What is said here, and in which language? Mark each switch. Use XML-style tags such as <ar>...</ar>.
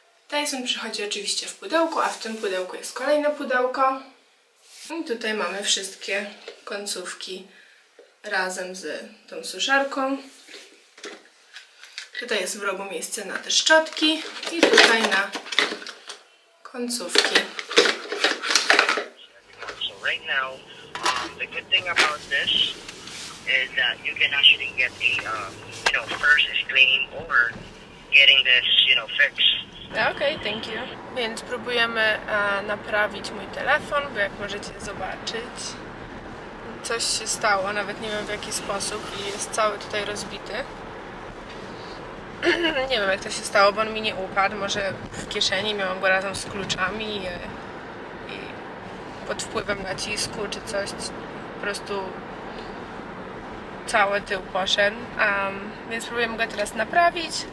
<pl>Dyson przychodzi oczywiście w pudełku, a w tym pudełku jest kolejne pudełko. I tutaj mamy wszystkie końcówki razem z tą suszarką. Tutaj jest w rogu miejsce na te szczotki i tutaj na końcówki.</pl> <en>Right now, the good thing about this is that you can actually get the, you know, first screen or getting this, you know, fixed. Okay, thank you.</en> <pl>Więc próbujemy naprawić mój telefon, bo jak możecie zobaczyć, coś się stało, nawet nie wiem w jaki sposób i jest cały tutaj rozbity. Nie wiem, jak to się stało, bo on mi nie upadł, może w kieszeni, miałam go razem z kluczami i pod wpływem nacisku czy coś, po prostu cały tył poszedł, więc próbujemy go teraz naprawić.</pl>